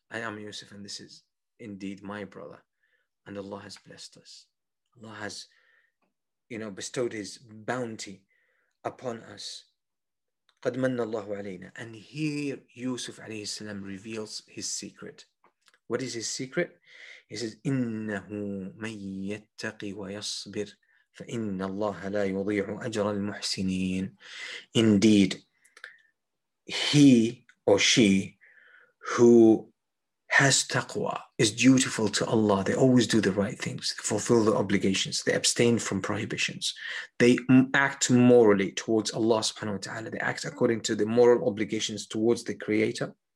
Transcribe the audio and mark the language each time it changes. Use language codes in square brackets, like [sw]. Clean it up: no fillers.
[en] I am Yusuf and this is indeed my brother. And Allah has blessed us. Allah has, you know, bestowed his bounty upon us. [ar] Qad manna Allahu alayna. [en] And here Yusuf alayhi salam reveals his secret. What is his secret? He says, [ar] إِنَّهُ مَنْ يَتَّقِي وَيَصْبِرْ فَإِنَّ اللَّهَ لَا يُضِيعُ أَجْرَ الْمُحْسِنِينَ. [en] Indeed, he or she who has taqwa is dutiful to Allah. They always do the right things, fulfill the obligations, they abstain from prohibitions. They act morally towards Allah subhanahu wa ta'ala. They act according to the moral obligations towards the Creator.